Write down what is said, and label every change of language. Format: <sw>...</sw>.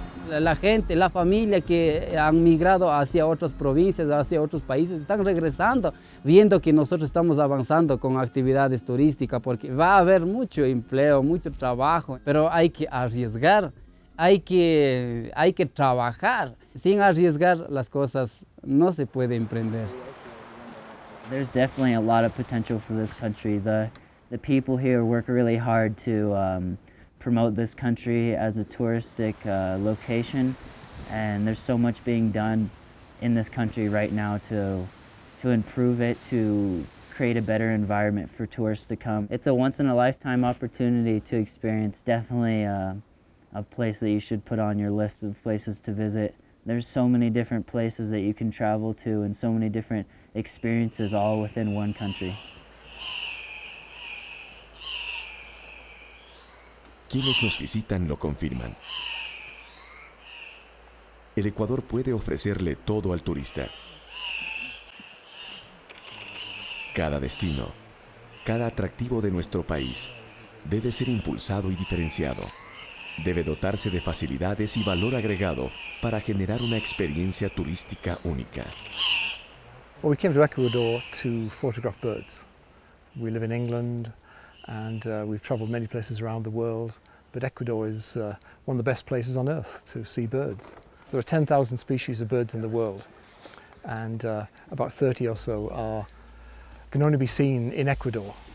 <es>La gente, la familia que han migrado hacia otras provincias, hacia otros países, están regresando, viendo que nosotros estamos avanzando con actividades turísticas, porque va a haber mucho empleo, mucho trabajo, pero hay que arriesgar, hay que trabajar. Sin arriesgar las cosas, no se puede emprender.</es> <en>There's definitely a lot of potential for this country. The people here work really hard to promote this country as a touristic location, and there's so much being done in this country right now to improve it, to create a better environment for tourists to come. It's a once in a lifetime opportunity to experience, definitely a place that you should put on your list of places to visit. There's so many different places that you can travel to and so many different experiences all within one country.</en> <es>Quienes nos visitan lo confirman. El Ecuador puede ofrecerle todo al turista. Cada destino, cada atractivo de nuestro país debe ser impulsado y diferenciado. Debe dotarse de facilidades y valor agregado para generar una experiencia turística única.</es> <en>Well, we came to Ecuador to photograph birds. We live in England and we've traveled many places around the world. But Ecuador is one of the best places on earth to see birds. There are 10,000 species of birds in the world, and about 30 or so can only be seen in Ecuador.</en>